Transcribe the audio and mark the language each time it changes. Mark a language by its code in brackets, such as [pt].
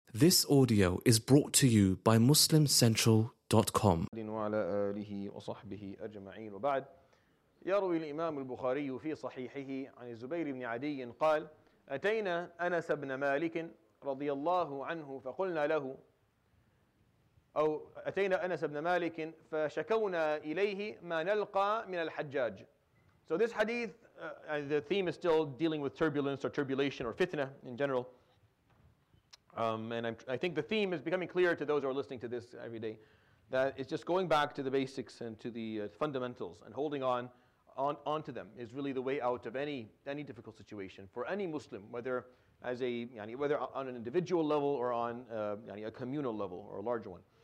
[en] This audio is brought to you by MuslimCentral.com. [ar] وعلى آله وصحبه أجمعين. وبعد يروي الإمام البخاري في صحيحه عن الزبير بن عدي قال أتينا أنس بن مالك رضي الله عنه فقلنا له أو أتينا أنس بن مالك فشكونا إليه ما نلقى من الحجاج. [en] So this hadith, the theme is still dealing with turbulence or tribulation or fitna in general. And I think the theme is becoming clear to those who are listening to this every day, that it's just going back to the basics and to the fundamentals and holding on to them is really the way out of any difficult situation for any Muslim, whether as a whether on an individual level or on a communal level or a larger one.